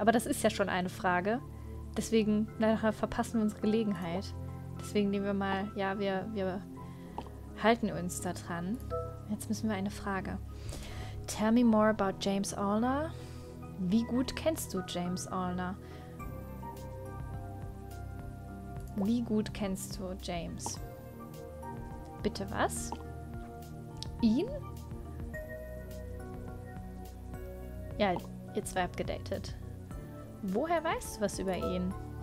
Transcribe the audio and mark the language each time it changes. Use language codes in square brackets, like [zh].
[de] Aber das ist ja schon eine Frage. Deswegen, nachher verpassen wir unsere Gelegenheit. Deswegen nehmen wir mal, ja, wir halten uns da dran. Jetzt müssen wir eine Frage. [en] Tell me more about James Allner. [de] Wie gut kennst du James Allner? Wie gut kennst du James? Bitte was? Ihn? Ja, ihr zwei habt gedatet. Woher weißt du was über ihn?